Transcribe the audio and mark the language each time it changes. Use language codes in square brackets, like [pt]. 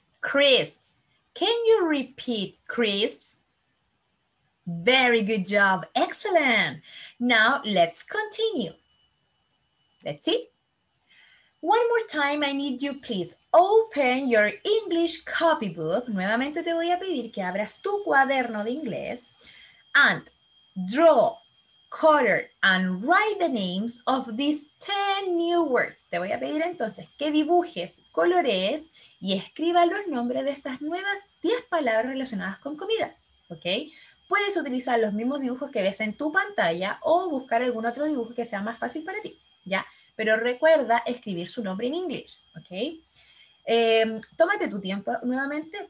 [en] Crisps. Can you repeat crisps? Very good job. Excellent. Now let's continue. Let's see. One more time, I need you, please, open your English copybook. [es] Nuevamente te voy a pedir que abras tu cuaderno de inglés. [en] And draw, color, and write the names of these 10 new words. [es] Te voy a pedir entonces que dibujes, colores, y escriba los nombres de estas nuevas 10 palabras relacionadas con comida. ¿Okay? Puedes utilizar los mismos dibujos que ves en tu pantalla o buscar algún otro dibujo que sea más fácil para ti. ¿Ya? Pero recuerda escribir su nombre en inglés. ¿Okay? Tómate tu tiempo nuevamente.